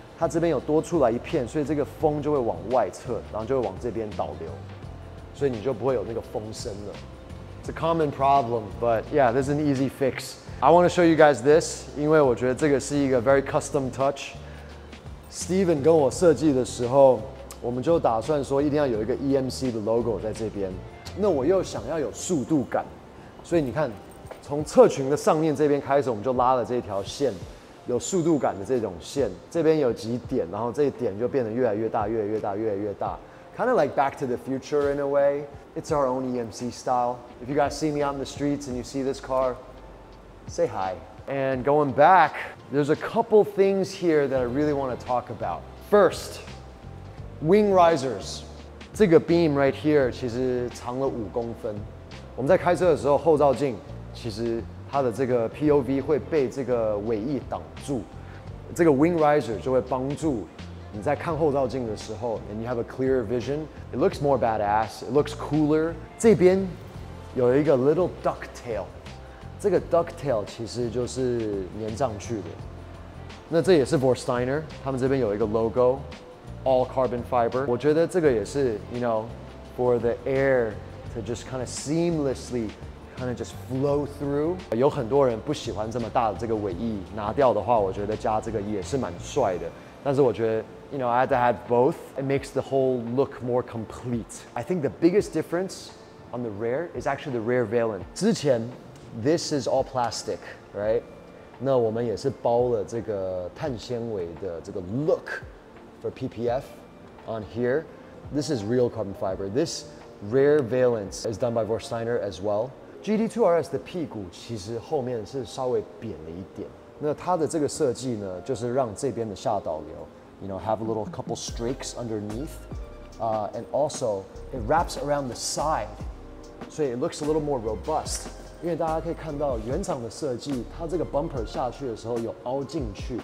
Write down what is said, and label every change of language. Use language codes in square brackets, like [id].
[zh] 它这边有多出来一片，所以这个风就会往外侧，然后就会往这边导流，所以你就不会有那个风声了。 [en] It's a common problem, but yeah, this is an easy fix. I want to show you guys this, [zh] 因为我觉得这个是一个 [en] very custom touch. [zh] Steven 跟我设计的时候，我们就打算说一定要有一个 EMC 的 logo 在这边。那我又想要有速度感，所以你看，从侧裙的上面这边开始，我们就拉了这条线。有速度感的这种线，这边有几点，然后这一点就变得越来越大，越来越大，越来越大。 [en] Kind of like Back to the Future in a way. It's our own EMC style. If you guys see me out in the streets and you see this car, say hi. And going back, there's a couple things here that I really want to talk about. First, wing risers. 这个 beam right here [zh] 其实长了五公分。我们在开车的时候，后照镜其实。它的这个 POV 会被这个尾翼挡住，这个 wing riser 就会帮助你在看后照镜的时候 ， [en] and you have a clearer vision. It looks more badass. It looks cooler. [zh] 这边有一个 little ducktail， 这个 ducktail 其实就是粘上去的。那这也是 Vorsteiner， 他们这边有一个 logo， [en] all carbon fiber. [zh] 我觉得这个也是 [en] you know for the air to just kind of seamlessly. Kind of just flow through. [zh] 有很多人不喜欢这么大的这个尾翼，拿掉的话，我觉得加这个也是蛮帅的。但是我觉得 [en] ，you know, I had to have both. It makes the whole look more complete. I think the biggest difference on the rear is actually the rear valen. 之前 ，this is all plastic, right? [zh] 那我们也是包了这个碳纤维的这个 [en] look for PPF on here. This is real carbon fiber. This rear valence is done by Vorsteiner as well. [zh] GT2 RS 的屁股其实后面是稍微扁了一点，那它的这个设计呢，就是让这边的下导流 ， [en] you know have a little couple streaks underneath， And also, it wraps around the side, so it looks a little more robust. [zh] 因为大家可以看到原厂的设计，它这个 bumper 下去的时候有凹进去。